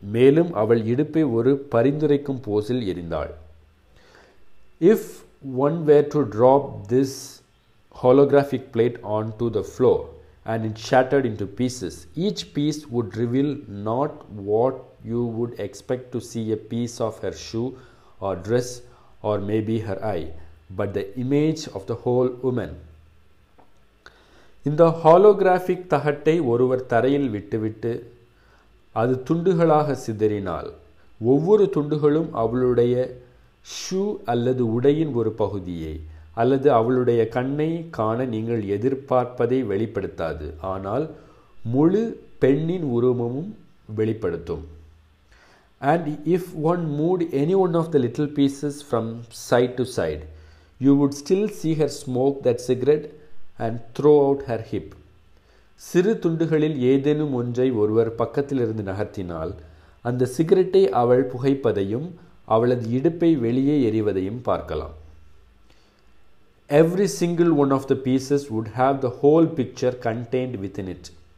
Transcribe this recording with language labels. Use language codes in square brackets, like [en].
[ta] மேலும் அவள் இடுப்பை ஒரு பரிந்துரைக்கும் போஸில் எரிந்தாள். [en] If one were to drop this holographic plate onto the floor and it shattered into pieces, each piece would reveal not what you would expect to see, a piece of her shoe or dress or maybe her eye, but the image of the whole woman. [ta] இந்த holographic தகட்டை ஒருவர் தரையில் விட்டுவிட்டு அது துண்டுகளாக சிதறினால் ஒவ்வொரு துண்டுகளும் அவளுடைய shoe அல்லது உடையின் ஒரு பகுதியை அல்லது அவளுடைய கண்ணை காண நீங்கள் எதிர்பார்ப்பதை வெளிப்படுத்தாது, ஆனால் முழு பெண்ணின் உருவமும் வெளிப்படுத்தும். [en] And if one moved any one of the little pieces from side to side, you would still see her smoke that cigarette and throw out her hip. [ta] சிறு துண்டுகளில் ஏதேனும் ஒன்றை ஒருவர் பக்கத்திலிருந்து நகர்த்தினால் அந்த சிகரெட்டை அவள் புகைப்பதையும் அவளது இடுப்பை வெளியே எறிவதையும் பார்க்கலாம். [en] Every single one of the pieces would have the whole picture contained within it.